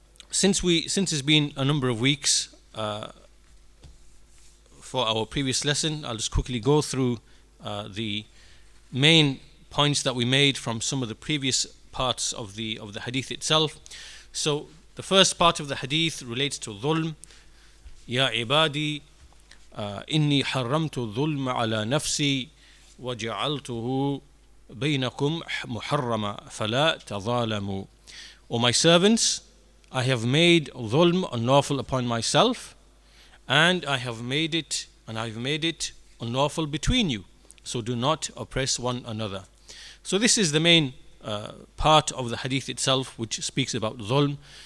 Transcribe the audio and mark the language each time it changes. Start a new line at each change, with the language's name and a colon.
English: Since it's been a number of weeks for our previous lesson, I'll just quickly go through the main points that we made from some of the previous parts of the hadith itself. So the first part of the hadith relates to dhulm.
Arabic: Ya ibadi. إني حرمت الظلم على نفسي وجعلته بينكم محرما فلا تظالموا.
English: O my servants, I have made dhulm unlawful upon myself, and I have made it, unlawful between you. So do not oppress one another. So this is the main part of the hadith itself, which speaks about dhulm.